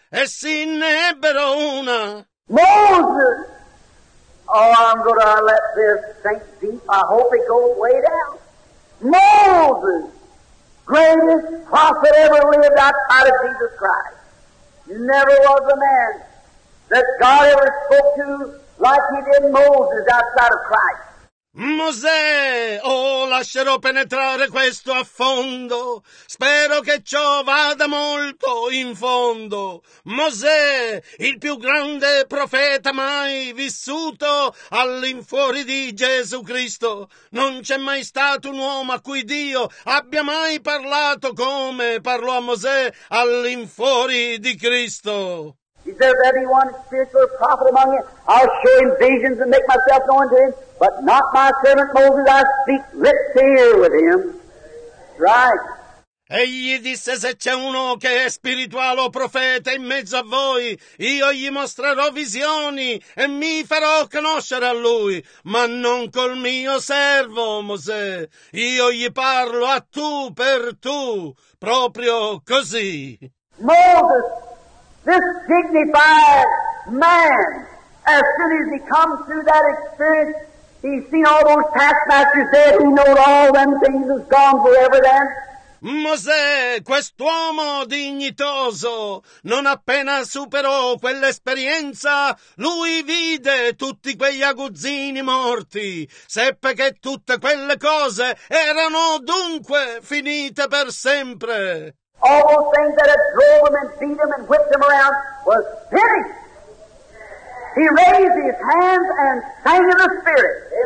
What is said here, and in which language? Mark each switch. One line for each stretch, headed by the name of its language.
Italian: Essi ne ebbero una.
English: Moses! Oh, I'm gonna let this sink deep. I hope it goes way down. Moses! Greatest prophet ever lived outside of Jesus Christ. Never was a man that God ever spoke to like he did Moses outside of Christ.
Italian: Mosè, oh, lascerò penetrare questo a fondo. Spero che ciò vada molto in fondo. Mosè, il più grande profeta mai vissuto all'infuori di Gesù Cristo. Non c'è mai stato un uomo a cui Dio abbia mai parlato come parlò a Mosè all'infuori di Cristo.
English: Is there anyone spiritual prophet among you? I'll show him visions and make myself known to him. But not my servant Moses, I speak lip to ear with him. Right.
Italian: Egli disse, se c'è uno che è spirituale o profeta in mezzo a voi, io gli mostrerò visioni e mi farò conoscere a lui, ma non col mio servo, Mosè. Io gli parlo a tu per tu, proprio così.
English: Moses, this dignified man, as soon as he comes through that experience, he's seen all those taskmasters there who know all them things is gone forever then.
Italian: Mosè, quest'uomo dignitoso, non appena superò quell'esperienza, lui vide tutti quegli aguzzini morti, seppe che tutte quelle cose erano dunque finite per sempre.
English: All those things that had drove him and beat him and whipped him around was finished. He raised his hands and sang in the Spirit.